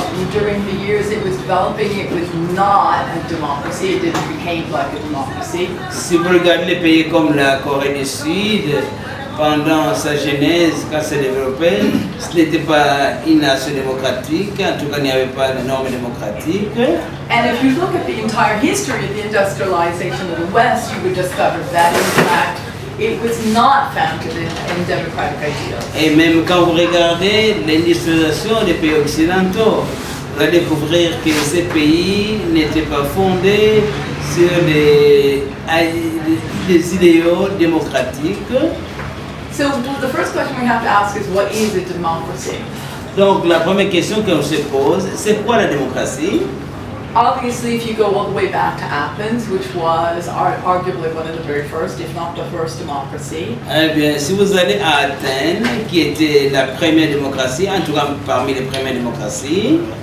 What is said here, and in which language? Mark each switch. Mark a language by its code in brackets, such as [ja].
[en] During the years it was developing, it was not a democracy. It didn't become like a democracy. [fr] Si vous regardez les pays comme la Corée du Sud, pendant sa genèse, quand c'est développé, ce n'était pas une nation démocratique. En tout cas, il n'y avait pas de normes démocratiques. [en] And if you look at the entire history of the industrialization of the West, you would discover that in fact it was not founded in democratic ideals. [fr] Et même quand vous regardez l'industrialisation des pays occidentaux, vous allez découvrir que ces pays n'étaient pas fondés sur des idéaux démocratiques. [en] So the first question we have to ask is, what is a democracy? [fr] Donc la première question que on se pose, c'est quoi la démocratie? [en] Obviously, if you go all the way back to Athens, which was arguably one of the very first, if not the first democracy. [fr] Eh bien, si vous allez à Athènes, qui était la première démocratie, en tout cas parmi les premières démocraties.